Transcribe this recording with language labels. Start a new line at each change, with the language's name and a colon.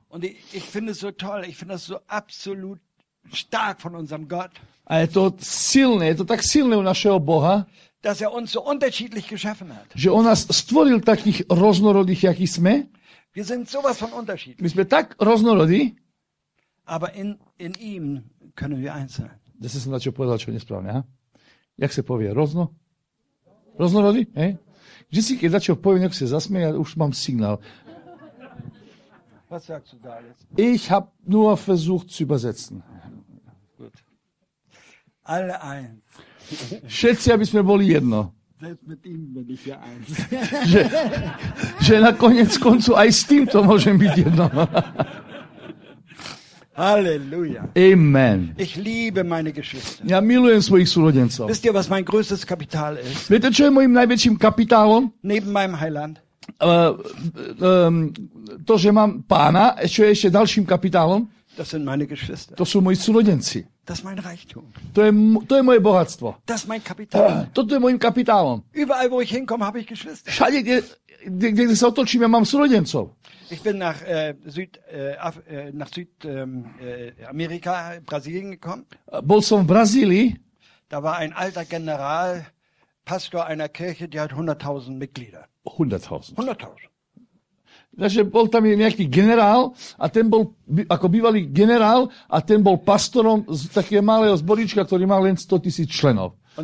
German: Und ich finde so toll, ich finde das so absolut stark von unserem Gott.
Slovak: A je to silné, je to tak silné u našeho Boha,
German: dass er uns so unterschiedlich geschaffen hat.
Slovak: Že on nás stvoril takých rôznorodých, jaký sme.
German: Wir sind sowas von unterschiedlich.
Slovak: My sme tak rôznorodí.
German: Aber in ihm können wir eins sein.
Slovak: Zase som načo povedal, čo je nesprávne, ha? Jak sa povie? Rozno? Roznorodý? Že si keď načo poviem, nech sa zasmeje, už mám signál.
German: Was sagst du da jetzt? Ich hab nur versucht zu übersetzen. Gut. Alle eins.
Slovak: Všetci, aby sme boli jedno.
German: Selbst mit ihm bin ich ja eins.
Slovak: Že nakoniec koncu aj s týmto môžem byť jedno. Halleluja. Amen.
German: Ich liebe meine Geschwister.
Slovak: Ja milujem svojich súrodencov.
German: Wisst ihr, was mein größtes Kapital ist?
Slovak: Viete, čo je mojím najväčším kapitálom?
German: Neben meinem Heiland.
Slovak: To, že mám Pána, čo je ešte ďalším kapitálom?
German: Das sind meine Geschwister.
Slovak: To sú moji súrodenci.
German: Das ist mein Reichtum.
Slovak: To je moje bohatstvo.
German: Das ist mein Kapital.
Slovak: Toto je mojím kapitálom.
German: Überall, wo ich hinkomme, habe ich Geschwister.
Slovak: Všade, kde sa otočím, ja mám súrodencov.
German: Ich bin nach Südamerika, Brasilien gekommen.
Slovak: Bol som v Brazílii.
German: Da war ein alter General, Pastor einer Kirche, die hat 100.000 Mitglieder. 100.000.
Slovak: Takže bol tam nejaký generál a ten bol ako bývalý generál a ten bol pastorom z takého malého zborička, ktorý mal len 100.000 členov.